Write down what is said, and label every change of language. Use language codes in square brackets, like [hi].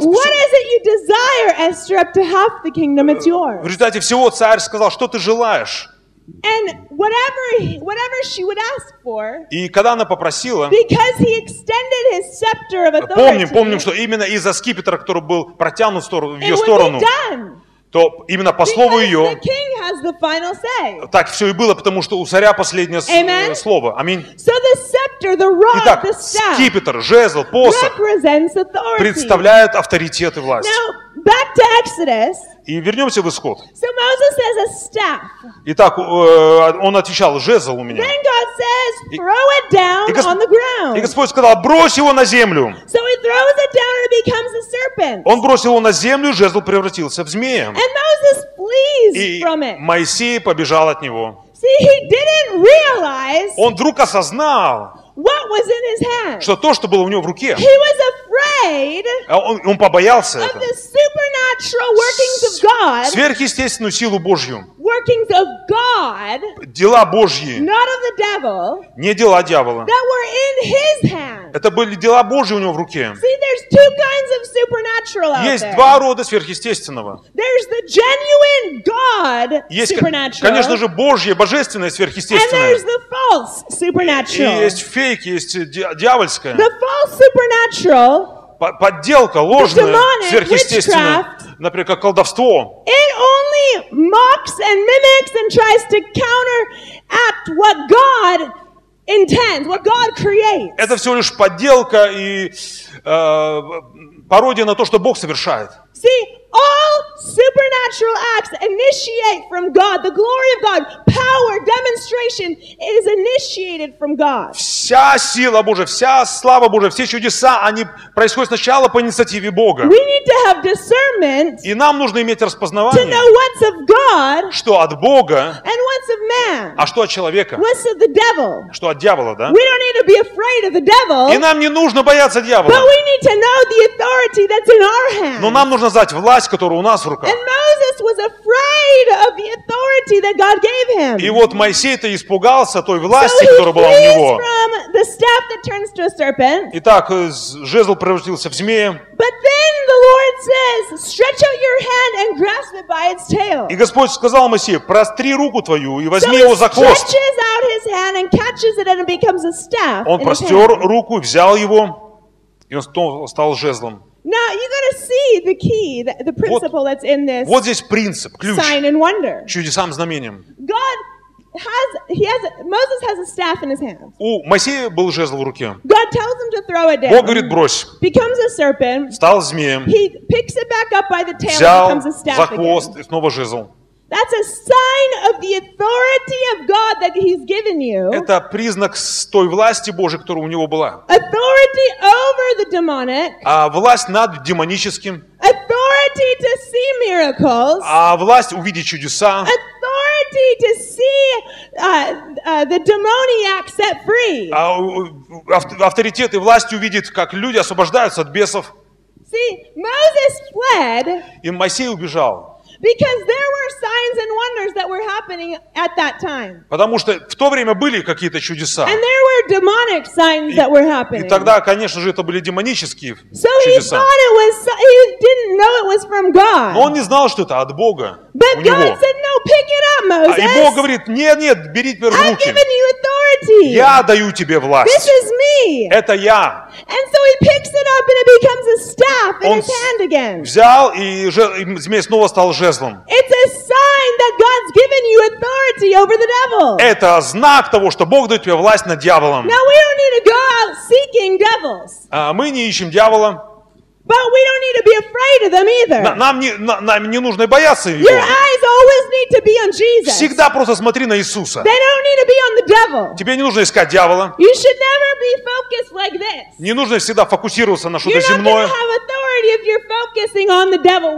[en] What is it you desire, Esther, up to half the kingdom, it's yours. [ru] В результате всего царь сказал, что ты желаешь? [en] And whatever she would ask for, [ru] и когда она попросила, [en] because he extended his scepter of authority, [ru] помним, что именно из-за скипетра, который был протянут в ее сторону, то именно по слову ее, [en] the king has the final say. [ru] Так все и было, потому что у царя последнее слово. Аминь. [en] So the scepter, the rod, [ru] итак, скипетр, жезл, посох представляют авторитет и власть. [en] Now, back to Exodus. [ru] И вернемся в Исход. [en] So Moses says, a staff. [ru] Итак, он отвечал, жезл у меня. [en] Then God says, throw it down on the ground. [ru] И Господь сказал, брось его на землю. [en] So he throws it down and it becomes a serpent. [ru] Он бросил его на землю, жезл превратился в змея. [en] And Moses flees from it. [ru] И Моисей побежал от него. [en] See, he didn't realize, [ru] он вдруг осознал, [en] what was in his hand. [ru] Что то, что было у него в руке. [en] He was afraid, [ru] он побоялся [en] of the supernatural workings of God, [ru] сверхъестественную силу Божью. [en] Workings of God, [ru] дела Божьи. [en] Not of the devil, [ru] не дела дьявола. [en] That were in his hand. [ru] Это были дела Божьи у него в руке. [en] See, there's two kinds of supernatural out there. [ru] Есть два рода сверхъестественного. [en] There's the genuine God supernatural. [ru] Есть, конечно же, Божье, божественное сверхъестественное. [en] And there's the false supernatural. [ru] И есть фейки, есть дьявольское. [en] The false supernatural, [ru] подделка, ложная, сверхъестественная, например, как колдовство. [en] It only mocks and mimics and tries to counteract what God intends, what God creates. [ru] Это всего лишь подделка и пародия на то, что Бог совершает. [en] See, all supernatural acts initiate from God. The glory of God, power, demonstration is initiated from God. [ru] Вся сила Божия, вся слава Божия, все чудеса, они происходят сначала по инициативе Бога. [en] We need to have discernment. [ru] И нам нужно иметь распознавание. [en] To know what's of God. [ru] Что от Бога. [en] And what's of man. [ru] А что от человека. [en] What's of the devil. [ru] Что от дьявола, да? [en] We don't need to be afraid of the devil. [ru] И нам не нужно бояться дьявола. [en] But we need to know the authority that's in our hands. [ru] Но нам нужно знать власть, которая у нас в руках. [en] And Moses was afraid of the authority that God gave him. [ru] И вот Моисей-то испугался той власти, которая была у него. [en] From the staff that turns to a serpent. [ru] Итак, жезл превратился в змея. [en] But then the Lord says, stretch out your hand and grasp it by its tail. [ru] И Господь сказал Моисею, простри руку твою и возьми его за хвост. [en] So he stretches out his hand and catches it and it becomes a staff. [ru] Он простер руку, взял его, и он стал жезлом. [en] Now you gotta see the key, the principle that's in this. [ru] Вот здесь принцип, ключ. [en] Sign and wonder. [ru] Чудесам, знамениям. [en] God has, he has, Moses has a staff in his hand. [ru] У Моисея был жезл в руке. [en] God tells him to throw it down. [ru] Бог говорит, брось. [en] Becomes a serpent. [ru] Стал змеем. [en] He picks it back up by the tail. [ru] Взял [en] and becomes a staff [ru] за хвост, и снова жезл. [en] That's a sign of the authority of God that he's given you. [ru] Это признак той власти Божьей, которая у него была. [en] Authority over the demonic. [ru] А власть над демоническим. [en] Authority to see miracles. [ru] А власть увидеть чудеса. [en] Authority to see the demoniac set free. [ru] А авторитет и власть увидеть, как люди освобождаются от бесов. [en] See, Moses fled. [ru] И Моисей убежал. [en] Because there were signs and wonders that were happening at that time. [ru] Потому что в то время были какие-то чудеса. [en] And there were demonic signs that were happening. [ru] И тогда, конечно же, это были демонические [en] so [ru] чудеса. [en] So he thought it was. He didn't know it was from God. [ru] Но он не знал, что это от Бога. [en] But God [ru] него. [en] Said, "No, pick it up, Moses." [ru] И Бог говорит: "Нет, нет, бери теперь в руки. [en] I've given you authority. [ru] Я даю тебе власть. [en] This is me. [ru] Это я." [en] And so he picks it up, and it becomes a staff in his hand again. [ru] Он взял и змей снова стал жезлом. [en] It's a sign that God's given you authority over the devil. [ru] Это знак того, что Бог дает тебе власть над дьяволом. [en] Now we don't need to go out seeking devils. [ru] А мы не ищем дьявола. [en] But we don't need to be afraid of them either. [ru] Нам не нужно бояться его. [en] Your eyes always need to be on Jesus. [ru] Всегда просто смотри на Иисуса. [en] They don't need to be on the devil. [ru] Тебе не нужно искать дьявола. [en] You should never be focused like this. [ru] Не нужно всегда фокусироваться на что-то земное. [en] You're not going to have authority if you're focusing on the devil.